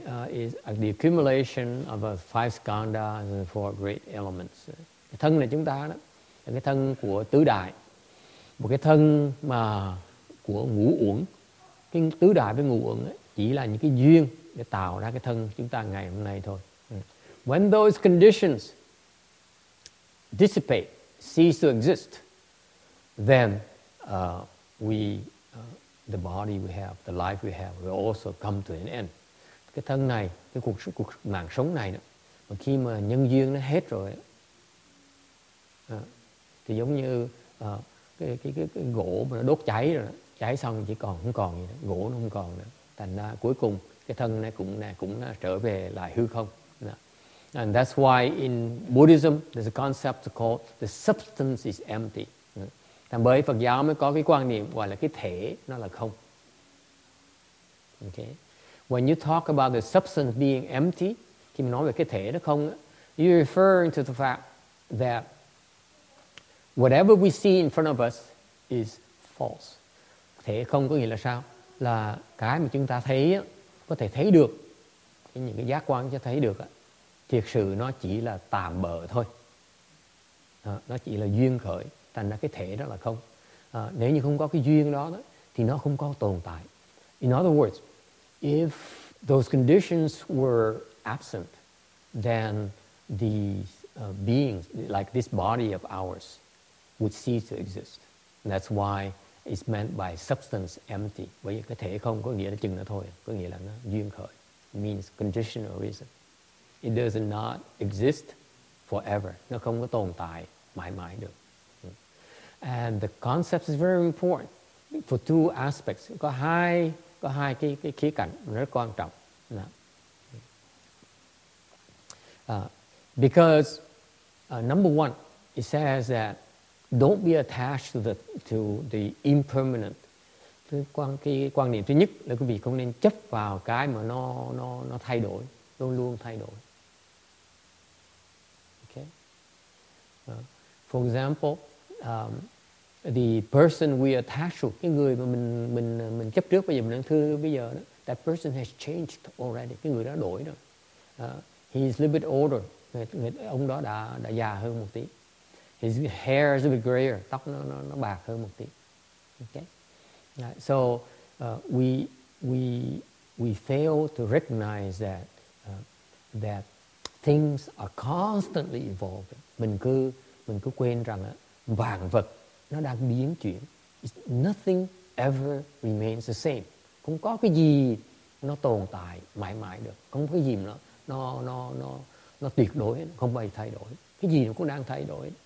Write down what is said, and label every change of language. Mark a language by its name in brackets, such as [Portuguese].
[English] is the accumulation of five skandhas and four great elements. [Vietnamese] Cái thân này chúng ta đó là cái thân của tứ đại, một cái thân mà của ngũ uẩn. Cái tứ đại với ngũ uẩn chỉ là những cái duyên để tạo ra cái thân chúng ta ngày hôm nay thôi. [English] When those conditions dissipate, cease to exist, then the body we have, the life we have, will also come to an end. [Vietnamese] Cái thân này, cái cuộc mạng sống này đó, mà khi mà nhân duyên nó hết rồi, thì giống như cái gỗ mà nó đốt cháy rồi, cháy xong chỉ còn không còn gì nữa, gỗ nó không còn nữa. Thành ra cuối cùng cái thân này cũng trở về lại hư không. [English] And that's why in Buddhism there's a concept called the substance is empty. [Vietnamese] Thành bởi Phật giáo mới có cái quan niệm gọi là cái thể nó là không. [English] Okay. When you talk about the substance being empty, [Vietnamese] khi mình nói về cái thể nó không, [English] you're referring to the fact that whatever we see in front of us is false. [Vietnamese] Thể không có nghĩa là sao? Là cái mà chúng ta thấy có thể thấy được, những cái giác quan cho thấy được, thực sự nó chỉ là tạm bợ thôi. Nó chỉ là duyên khởi. Thành ra cái thể đó là không. Nếu như không có cái duyên đó, thì nó không có tồn tại. [English] In other words, if those conditions were absent, then these beings, like this body of ours, would cease to exist. And that's why it's meant by substance empty. [Vietnamese] Bởi vì cái thể không có nghĩa là chừng nó thôi, có nghĩa là nó duyên khởi. [English] It means conditional reason. It does not exist forever. [Vietnamese] Nó không có tồn tại mãi mãi được. [English] And the concept is very important for two aspects. [Vietnamese] Có hai cái khía cạnh rất quan trọng. [English] Number one, it says that don't be attached to the impermanent. [Vietnamese] Quan niệm thứ nhất là quý vị không nên chấp vào cái mà nó thay đổi, luôn luôn thay đổi. [English] Okay. For example, the person we attach to, [Vietnamese] cái người mà mình chấp trước bây giờ đó, [English] that person has changed already. [Vietnamese] Cái người đó đổi rồi. [English] He is a little bit older. [Vietnamese] Ông đó đã già hơn một tí. [English] His hair is a bit grayer. [Vietnamese] Tóc nó bạc hơn một tí. [English] Okay. So we fail to recognize that things are constantly evolving. [Vietnamese] Mình cứ quên rằng á, vạn vật nó đang biến chuyển. [English] Nothing ever remains the same. [Vietnamese] Không có cái gì nó tồn tại mãi mãi được. Không có cái gì nó tuyệt đối, không bao giờ thay đổi. Cái gì nó cũng đang thay đổi.